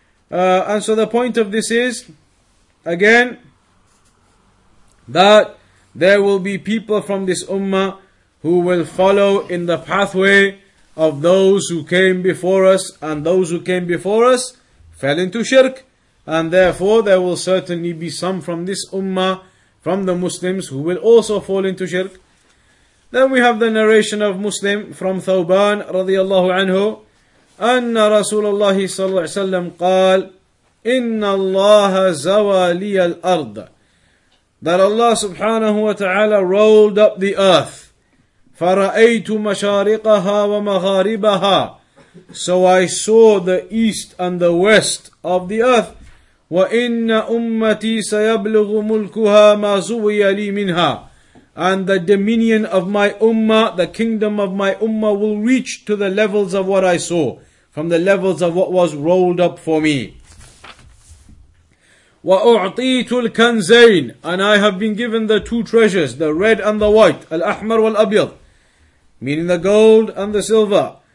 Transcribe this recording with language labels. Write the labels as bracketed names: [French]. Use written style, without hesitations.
[English] And so the point of this is, again, that there will be people from this ummah who will follow in the pathway of those who came before us, and those who came before us fell into shirk. And therefore, there will certainly be some from this ummah, from the Muslims, who will also fall into shirk. Then we have the narration of Muslim from Thawban radiallahu anhu. [Arabic] أن رسول الله صلى الله عليه وسلم قال إن الله زوالي الأرض. [English] That Allah subhanahu wa ta'ala rolled up the earth. [Arabic] فرأيت مشارقها ومغاربها. [English] So I saw the east and the west of the earth. [Arabic] وإن أمتي سيبلغ ملكها ما زوي لي منها. [English] And the dominion of my ummah, the kingdom of my ummah will reach to the levels of what I saw, from the levels of what was rolled up for me. [Arabic] وَأُعْطِيتُ الْكَنْزَيْنِ [English] And I have been given the two treasures, the red and the white, [Arabic] الْأَحْمَرُ وَالْأَبْيَضُ, [English] meaning the gold and the silver.